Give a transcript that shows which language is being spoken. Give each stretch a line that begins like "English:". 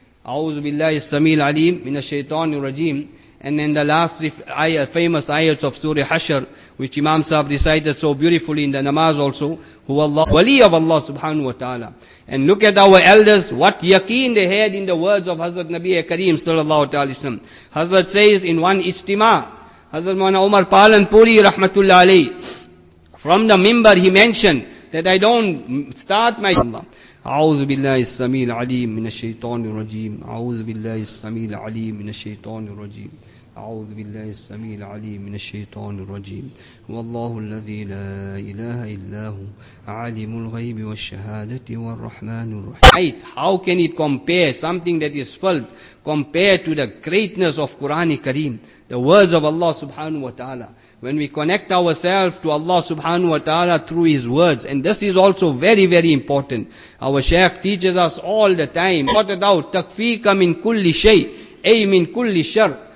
Arabic: A'udhu Billahi Samil Alim, Minash Shaitani Rajim.
English: And then the last famous ayats of Surah Hashr, which Imam Sahib recited so beautifully in the namaz also, who Allah, wali of Allah subhanahu wa ta'ala. And look at our elders, what yaqeen they had in the words of Hazrat Nabi Kareem sallallahu alayhi wa sallam. Hazrat says in one ijtima, Hazrat Maulana Umar Palanpuri Rahmatullah Ali, from the minbar he mentioned that I don't start my Allah.
Arabic: أعوذ بالله السميع العليم من الشيطان الرجيم أعوذ بالله السميع العليم من الشيطان الرجيم أعوذ بالله السميع العليم من الشيطان الرجيم والله الذي لا إله إلا هو عالم الغيب والشهادة والرحمن الرحيم.
English: Right. How can it compare something that is felt compared to the greatness of Quran Kareem, the words of Allah subhanahu wa ta'ala? When we connect ourselves to Allah subhanahu wa ta'ala through His words, and this is also very, very important. Our Shaykh teaches us all the time, sorted out,
Arabic: تَكْفِيكَ مِنْ كُلِّ شَيْءٍ أَيْ مِنْ كُلِّ شَرٍ.